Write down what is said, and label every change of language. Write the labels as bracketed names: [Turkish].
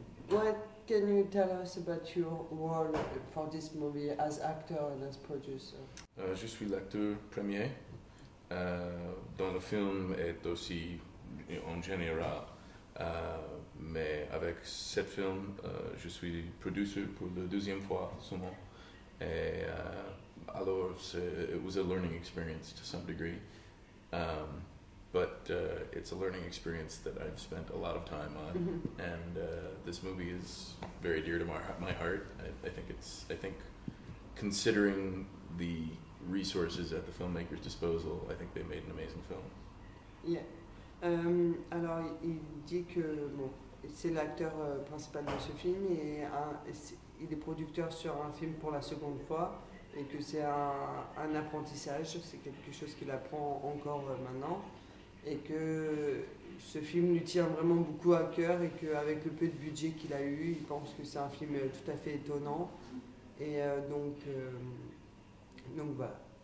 [English] What can you tell us about your role for this movie as actor and as producer? [French] Je suis l'acteur premier dans le film et aussi en général. Mais avec ce film, je suis producer pour la deuxième fois seulement. Et alors, [English] it was a learning experience to some degree. But it's a learning experience that I've spent a lot of time on. And this movie is very dear to my heart. I think considering the resources at the filmmaker's disposal, I think they made an amazing film. Yeah. [French] Alors, il dit que bon, c'est l'acteur principal de ce film et il est producteur sur un film pour la seconde fois et que c'est un apprentissage, c'est quelque chose qu'il apprend encore maintenant et que ce film lui tient vraiment beaucoup à cœur et qu'avec le peu de budget qu'il a eu, il pense que c'est un film tout à fait étonnant et donc voilà.